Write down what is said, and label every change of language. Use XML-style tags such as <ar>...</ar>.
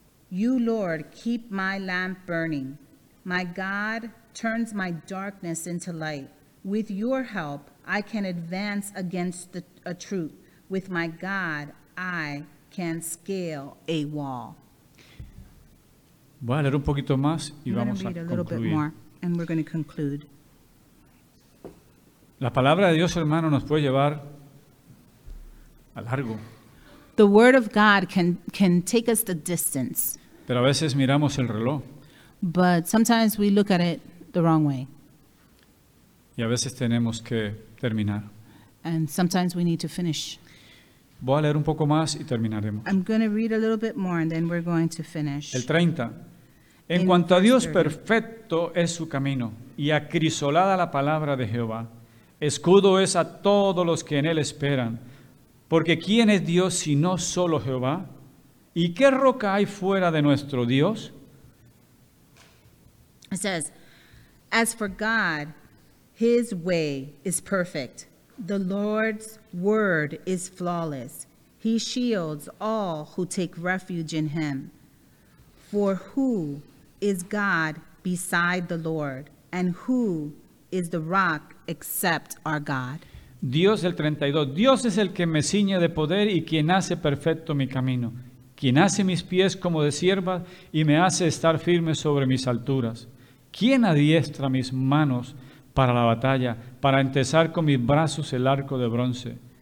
<en>You, Lord, keep my lamp burning. My God turns my darkness into light. With your help, I can advance against a troop. With my God, I can scale a wall.</en> <es>Voy a leer un poquito más y vamos a concluir.</es> <en>And we're going to conclude.</en> <es>La palabra de Dios, hermano, nos puede llevar a largo.</es> <en>The word of God can take us the distance.</en> <es>Pero a veces miramos el reloj.</es> <en>But sometimes we look at it the wrong way.</en> <es>Y a veces tenemos que terminar.</es> <en>And sometimes we need to finish.</en> <es>Voy a leer un poco más y terminaremos.</es> <en>I'm going to read a little bit more and then we're going to finish.</en> <es>El 30. En cuanto a Dios, perfecto es su camino y acrisolada la palabra de Jehová. Escudo es a todos los que en él esperan. Porque ¿quién es Dios sino solo Jehová? ¿Y qué roca hay fuera de nuestro Dios?</es> <en>It says, as for God, his way is perfect. The Lord's word is flawless. He shields all who take refuge in him. For who is God beside the Lord? And who is the rock except our God?</en> <es>Dios, el 32. Dios es el que me ciñe de poder y quien hace perfecto mi camino. Quien hace mis pies como de sierva y me hace estar firme sobre mis alturas. ¿Quién adiestra mis manos para la batalla, para entesar con mis brazos el arco de bronce?</es>